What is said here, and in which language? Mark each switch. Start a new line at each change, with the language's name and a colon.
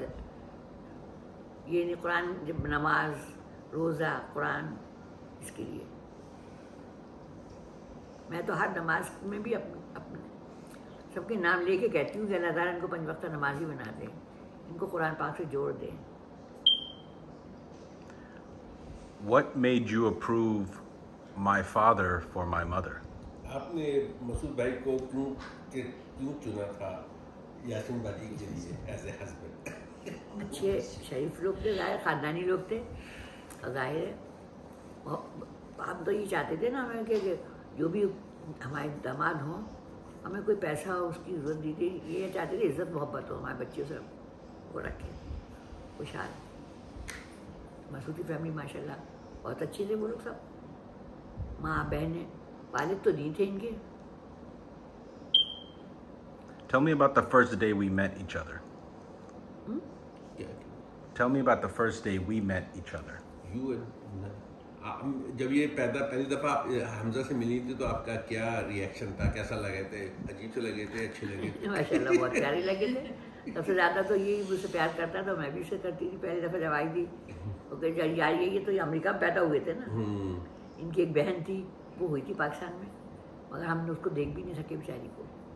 Hindi: ये नहीं कुरान, जब नमाज, रोज़ा, कुरान, इसके लिए मैं तो हर नमाज में भी अपने सबके नाम लेके कहती हूँ कि अल्लाह ताला इनको 5 वक्त नमाजी बना दें, इनको कुरान पाक से जोड़ दें।
English: What made you approve my father for my mother?
Hindi: आपने मसूद भाई को क्यों क्यों चुना था यासीन भाई के लिए एज ए हस्बैंड? अच्छे शरीफ लोग थे, जाहिर खानदानी लोग थे, जाहिर आप तो ये चाहते थे ना हमें कि जो भी हमारे दामाद हों, हमें कोई पैसा हो उसकी इज्जत दी थी, ये चाहते थे इज्जत मोहब्बत हो हमारे बच्चों से वो रखे खुशहाल। मसूदी फैमिली माशाल्लाह बहुत अच्छे थे वो लोग सब, माँ बहनें, वालिद तो नहीं थे इनके।
English: Tell me about the first day we met each other. Tell me about the first day we met each other.
Hindi: You and जब ये पैदा पहली दफ़ा हमजा से मिली थी तो आपका क्या रिएक्शन था, कैसा लगे थे? अजीब से लगे थे, अच्छे लगे थे? माशाल्लाह बहुत प्यारे लगे थे। सबसे ज़्यादा तो यही मुझसे प्यार करता था, मैं भी उससे करती थी पहली दफ़ा जब आई थी। वो कहते यार ये तो अमेरिका में पैदा हुए थे ना, इनकी एक बहन थी वो हुई थी पाकिस्तान में, मगर हमने उसको देख भी नहीं सके बेचारी को।